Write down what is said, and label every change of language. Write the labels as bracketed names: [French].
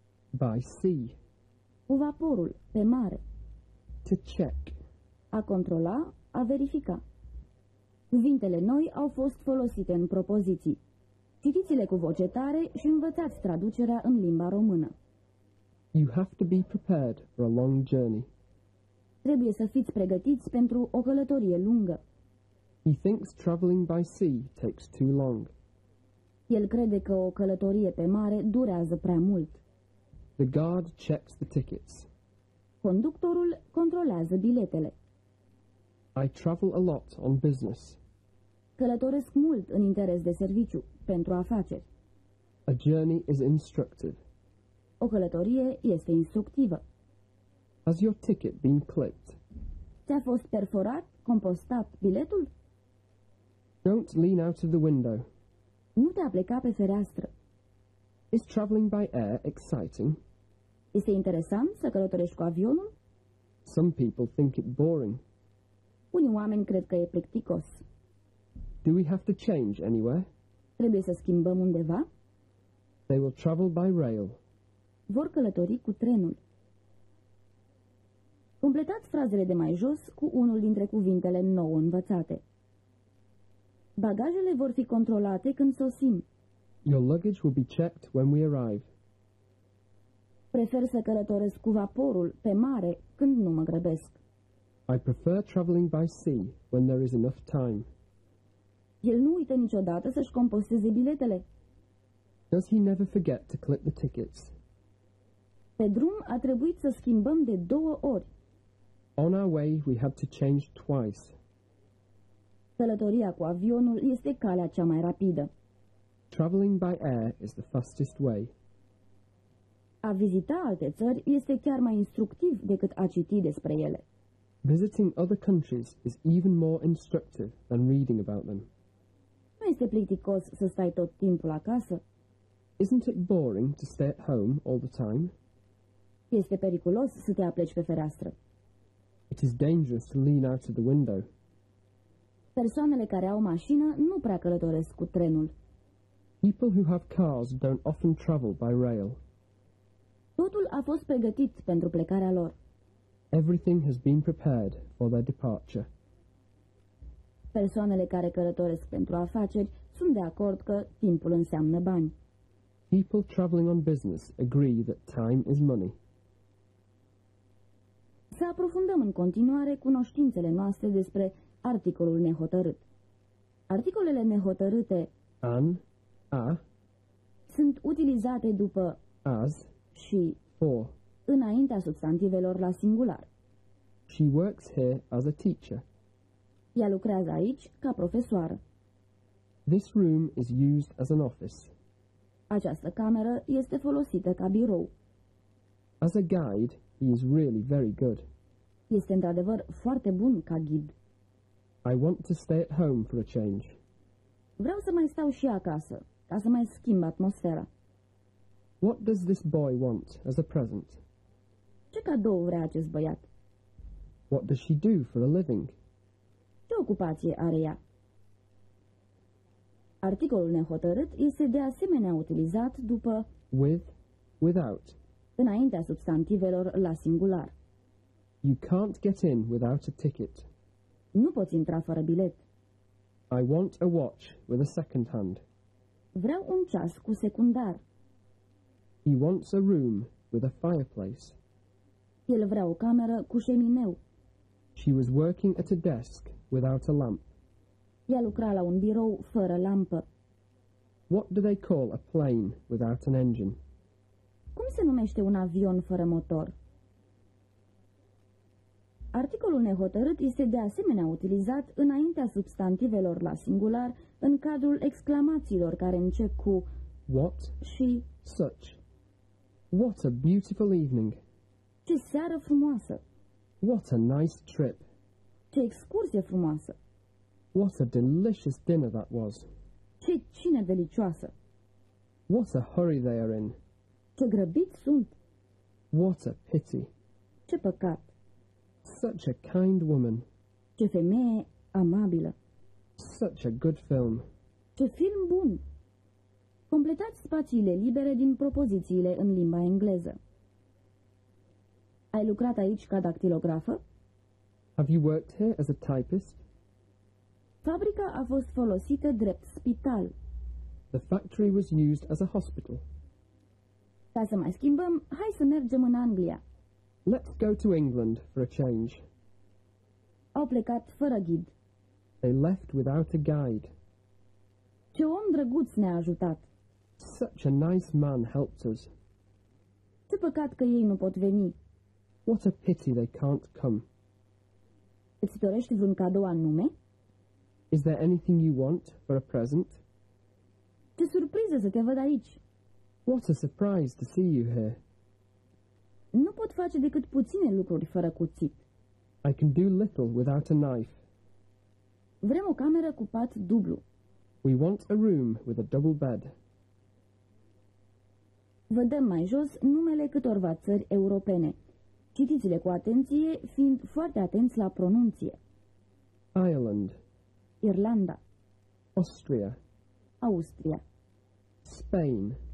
[English] By sea. [Romanian] Cu vaporul, pe mare. [English] To check. [Romanian] A controla, a verifica. Cuvintele noi au fost folosite în propoziții. Citiți-le cu voce tare și învățați traducerea în limba română. [English] You have to be prepared for a long journey. [Romanian] Trebuie să fiți pregătiți pentru o călătorie lungă. [English] He thinks traveling by sea takes too long. [Romanian] El crede că o călătorie pe mare durează prea mult. [English] The guard checks the tickets. [Romanian] Conductorul controlează biletele. [English] I travel a lot on business. [Romanian] Călătoresc mult în interes de serviciu, pentru afaceri. [English] A journey is instructive. [Romanian] O călătorie este instructivă. [English] Has your ticket been clipped? [Romanian] Ți-a fost perforat, compostat biletul? [English] Don't lean out of the window. [Romanian] Nu te-a plecat pe fereastră. [English] Is traveling by air exciting? [Romanian] Este interesant să călătorești cu avionul? [English] Some people think it boring. [Romanian] Unii oameni cred că e plicticos. [English] Do we have to change anywhere? [Romanian] Trebuie să schimbăm undeva? [English] They will travel by rail. [Romanian] Vor călători cu trenul. Completați frazele de mai jos cu unul dintre cuvintele nou învățate. Bagajele vor fi controlate când sosim. [English] Your luggage will be checked when we arrive. [Romanian] Prefer să călătoresc cu vaporul pe mare când nu mă grăbesc. [English] I prefer traveling by sea when there is enough time. [Romanian] El nu uită niciodată să-și composteze biletele. [English] Does he never forget to clip the tickets? [Romanian] Pe drum a trebuit să schimbăm de două ori. [English] On our way we had to change twice. [Romanian] Călătoria cu avionul este calea cea mai rapidă. [English] Traveling by air is the fastest way. [Romanian] A vizita alte țări este chiar mai instructiv decât a citi despre ele. [English] Visiting other countries is even more instructive than reading about them. [Romanian] Nu este plicticos să stai tot timpul acasă? [English] Isn't it boring to stay at home all the time? [Romanian] Este periculos să te apleci pe fereastră. [English] It is dangerous to lean out of the window. [Romanian] Persoanele care au mașină nu prea călătoresc cu trenul. [English] People who have cars don't often travel by rail. [Romanian] Totul a fost pregătit pentru plecarea lor. [English] Everything has been prepared for their departure. [Romanian] Persoanele care călătoresc pentru afaceri sunt de acord că timpul înseamnă bani. [English] People traveling on business agree that time is money. [Romanian] Să aprofundăm în continuare cunoștințele noastre despre articolul nehotărât. Articolele nehotărâte [English] an, a, [Romanian] sunt utilizate după [English] as [Romanian] și [English] for [Romanian] înaintea substantivelor la singular. [English] She works here as a teacher. [Romanian] Ea lucrează aici ca profesoară. [English] This room is used as an office. [Romanian] Această cameră este folosită ca birou. [English] As a guide, he is really very good. [Romanian] Este într-adevăr foarte bun ca ghid. [English] I want to stay at home for a change. [Romanian] Vreau să mai stau și acasă, ca să mai schimb atmosfera. [English] What does this boy want as a present? [Romanian] Ce cadou vrea acest băiat? [English] What does she do for a living? [Romanian] Ce ocupație are ea? Articolul nehotărât este de asemenea utilizat după [English] with, without, [Romanian] înaintea substantivelor la singular. [English] You can't get in without a ticket. [Romanian] Nu poți intra fără bilet. [English] I want a watch with a second hand. [Romanian] Vreau un ceas cu secundar. [English] He wants a room with a fireplace. [Romanian] El vrea o cameră cu șemineu. [English] She was working at a desk without a lamp. [Romanian] Ea lucra la un birou fără lampă. [English] What do they call a plane without an engine? [Romanian] Cum se numește un avion fără motor? Articolul nehotărât este de asemenea utilizat înaintea substantivelor la singular în cadrul exclamațiilor care încep cu [English] what [Romanian] și [English] such. What a beautiful evening! [Romanian] Ce seară frumoasă! [English] What a nice trip! [Romanian] Ce excursie frumoasă! [English] What a delicious dinner that was! [Romanian] Ce cină delicioasă! [English] What a hurry they are in! [Romanian] Ce grăbiți sunt! [English] What a pity! [Romanian] Ce păcat! [English] Such a kind woman! [Romanian] Ce femeie amabilă! [English] Such a good film! [Romanian] Ce film bun! Completați spațiile libere din propozițiile în limba engleză. Ai lucrat aici ca dactilografă? [English] Have you worked here as a typist? [Romanian] Fabrica a fost folosită drept spital. [English] The factory was used as a hospital. [Romanian] Ca să mai schimbăm, hai să mergem în Anglia. [English] Let's go to England for a change. [Romanian] au plecat fără ghid. [English] They left without a guide. [Romanian] Ce om drăguț ne-a ajutat. [English] Such a nice man helped us. [Romanian] Ce păcat că ei nu pot veni. [English] What a pity they can't come. [Romanian] Îți dorești vreun cadou anume? [English] Is there anything you want for a present? [Romanian] Ce surpriză să te văd aici. [English] What a surprise to see you here. [Romanian] Nu pot face decât puține lucruri fără cuțit. [English] I can do little without a knife. [Romanian] Vrem o cameră cu pat dublu. [English] We want a room with a double bed. [Romanian] Vă dăm mai jos numele câtorva țări europene. Citiți-le cu atenție, fiind foarte atenți la pronunție. [English] Ireland. [Romanian] Irlanda. [English] Austria. [Romanian] Austria. [English] Spain.